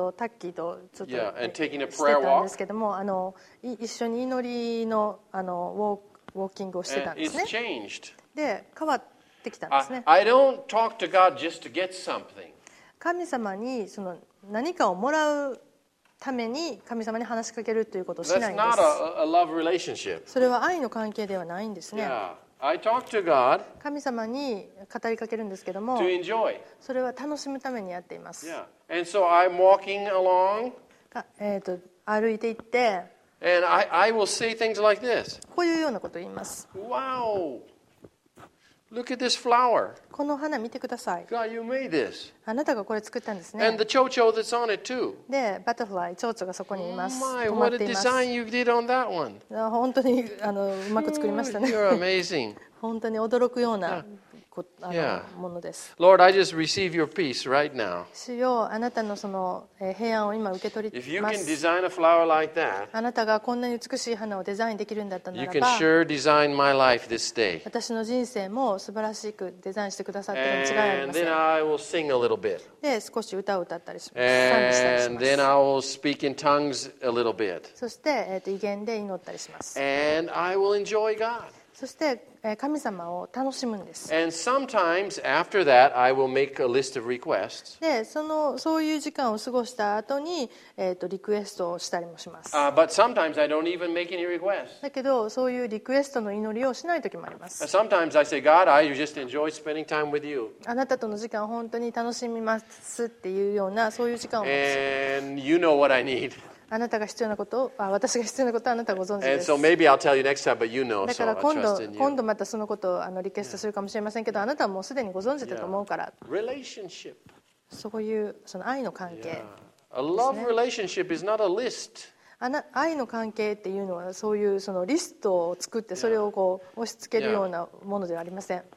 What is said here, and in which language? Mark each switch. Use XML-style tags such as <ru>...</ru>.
<ja>タッキーとちょっとしてたんですけども、一緒に祈り の, ウォーキングをしてたんですね。</ja> <en>It's changed.</en> <ja>で、変わってきたんですね。</ja> <en>I don't talk to God just to get something.</en> <ja>神様にその何かをもらうために神様に話しかけるということをしないんです。</ja> <en>That's not a love relationship.</en> <ja>それは愛の関係ではないんですね。</ja> <en>Yeah. I talk to God.</en> <ja>神様に語りかけるんですけども、</ja> <en>to enjoy.</en> <ja>それは楽しむためにやっています。</ja> <en>Yeah. And so I'm walking along.</en> <ja>歩いていって、</ja> <en>and I will say things like this.</en> <ja>こういうようなことを言います。</ja> <en>Wow. Look at this flower.</en> <ja>この花見てください。</ja> <en>God, you made this.</en> <ja>あなたがこれ作ったんですね。</ja> <en>And the chocho that's on it too.</en> <ja>で、バタフライ、蝶々がそこにいます。</ja> <en>Oh my, what a design you did on that one.</en> <ja>本当にうまく作りましたね。</ja> <en>You're amazing.</en> <ja>本当に驚くようなものです。</ja> <en>Lord, I just receive your peace right now.</en> <ja>主よ、あなたのその平安を今受け取ります。</ja> <en>If you can design a flower like that,</en> <ja>あなたがこんなに美しい花をデザインできるんだったならば、</ja> <en>you can sure design my life this day.</en> <ja>私の人生も素晴らしくデザインしてくださってるに違いありません。</ja> <en>And then I will sing a little bit.</en> <ja>で、少し歌を歌ったりします。</ja> <en>And then I will speak in tongues a little bit.</en> <ja>そして、異言で祈ったりします。</ja> <en>And I will enjoy God.</en> <ja>そして神様を楽しむんです。</ja> <en>And sometimes after that, I will make a list of requests.</en> <ja>で、そういう時間を過ごした後に、リクエストをしたりもします。</ja> <en>But sometimes I don't even make any requests.</en> <ja>だけど、そういうリクエストの祈りをしない時もあります。</ja> <en>Sometimes I say, God, I just enjoy spending time with you.</en> <ja>あなたとの時間を本当に楽しみますっていうような、そういう時間を持つ。</ja> <en>And you know what I need.</en> <ja>あなたが必要なことを、私が必要なことはあなたはご存知です。</ja> <en>And so maybe I'll tell you next time, but you know, so I trust in you.</en> <ja>だから今度またそのことをリクエストするかもしれませんけど、あなたはもうすでにご存知だと思うから。</ja> <en>Relationship.</en> <ja>そういうその愛の関係ですね。</ja> <en>A love relationship is not a list.</en> <ja>愛の関係っていうのはそういうそのリストを作ってそれをこう押し付けるようなものではありません。</ja>